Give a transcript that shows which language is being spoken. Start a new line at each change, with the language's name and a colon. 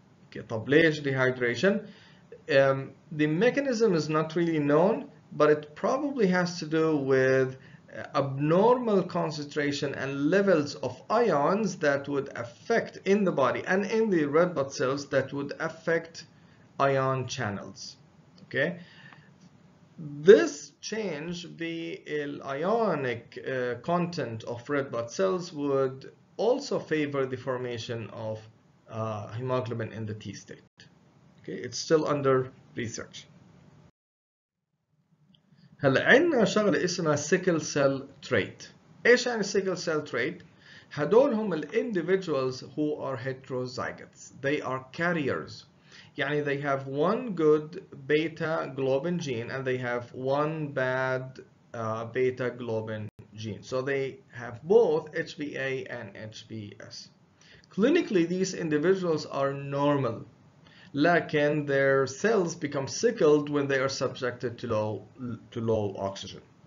English: Okay,
Arabic: طب ليش
English: dehydration؟ The mechanism is not really known, but it probably has to do with abnormal concentration and levels of ions that would affect in the body and in the red blood cells that would affect ion channels. Okay? This change, the ionic content of red blood cells would also favor the formation of hemoglobin in the T state. Okay? It's still under research.
Arabic: هلا عندنا شغله اسمها سيكل سيل تريت. ايش يعني سيكل سيل تريت؟ هدول هم الانديفيدجوالز
English: who are heterozygotes. They are carriers.
Arabic: يعني
English: they have one good beta globin gene and they have one bad beta globin gene. So they have both HBA and HBS. Clinically these individuals are normal.
Arabic: لكن
English: their cells become sickled when they are subjected to low oxygen.